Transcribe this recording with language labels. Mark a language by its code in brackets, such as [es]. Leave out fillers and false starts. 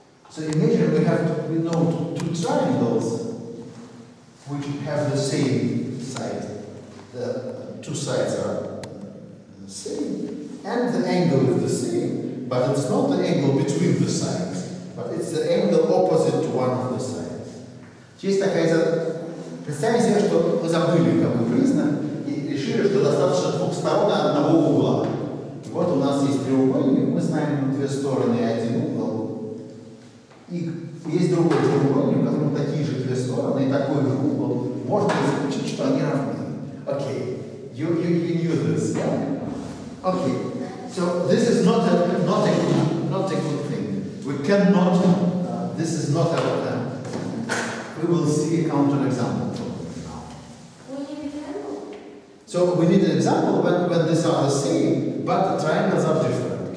[en] So imagine we have two triangles which have the same side. The two sides are the same, and the angle is the same, but it's not the angle between the sides, but it's the angle opposite to one of the sides. [ru] Есть такая, представим себе, что мы забыли, как мы признали, и решили, что достаточно двух сторон одного угла. И вот у нас есть треугольник, мы знаем две стороны и один угол. И есть другой треугольник, у которого такие же две стороны и такой же угол. Можно заключить, что они равны. [en] Окей. You knew this, yeah? Okay. So this is not a good thing. We cannot. This is not our plan. We will see a counter example for you now. We need an example. So we need an example when these are the same, but the triangles are different.